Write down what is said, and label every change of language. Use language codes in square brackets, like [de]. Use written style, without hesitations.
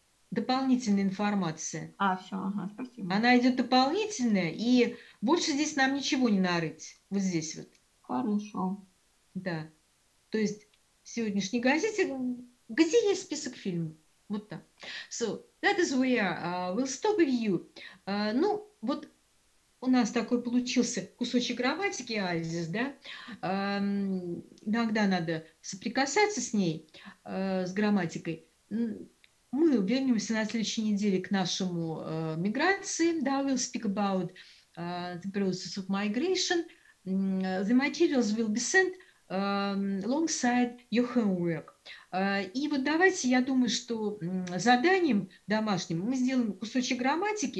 [ru] Дополнительная информация. А, все, ага, спасибо. Она идет дополнительная, и больше здесь нам ничего не нарыть. Вот здесь вот. Хорошо. Да. То есть в сегодняшней газете, где есть список фильмов? Вот так. [en] So, that is where we'll stop with you. [ru] Ну, вот у нас такой получился кусочек грамматики, Альзис, да? Иногда надо соприкасаться с ней, с грамматикой. Мы вернемся на следующей неделе к нашему миграции, да, [en] we'll speak about the process of migration. The materials will be sent alongside your homework. [ru] И вот давайте, я думаю, что заданием домашним мы сделаем кусочек грамматики.